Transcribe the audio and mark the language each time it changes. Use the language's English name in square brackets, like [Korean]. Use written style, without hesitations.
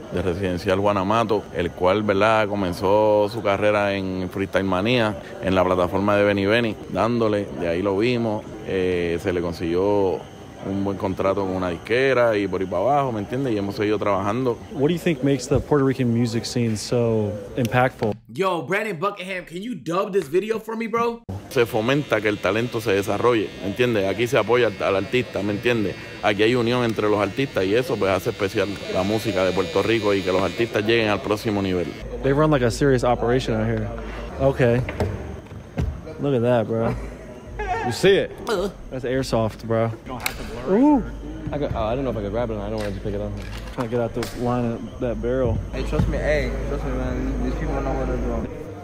[Spanish] De Residencial Guanamato, el cual, ¿verdad?, comenzó su carrera en Freestyle Manía, en la plataforma de Benny Benny, dándole, de ahí lo vimos, se le consiguió un buen contrato con una disquera y por ahí para abajo, ¿me entiendes? Y hemos seguido trabajando. [English] What do you think makes the Puerto Rican music scene so impactful? Yo, Brandon Buckingham, can you dub this video for me, bro? [Spanish] Se fomenta que el talento se desarrolle, ¿me entiendes? Aquí se apoya al artista, ¿me entiendes? Aquí hay unión entre los artistas y eso pues hace especial la música de Puerto Rico y que los artistas lleguen al próximo nivel. [English] They run like a serious operation out here. Okay. Look at that, bro. You see it? That's airsoft, bro. You don't have to blur it. I don't know if I could grab it or not. I don't want to just pick it up. I'm trying to get out this line of that barrel. Hey, trust me. Hey, trust me, man. These people know what they're doing.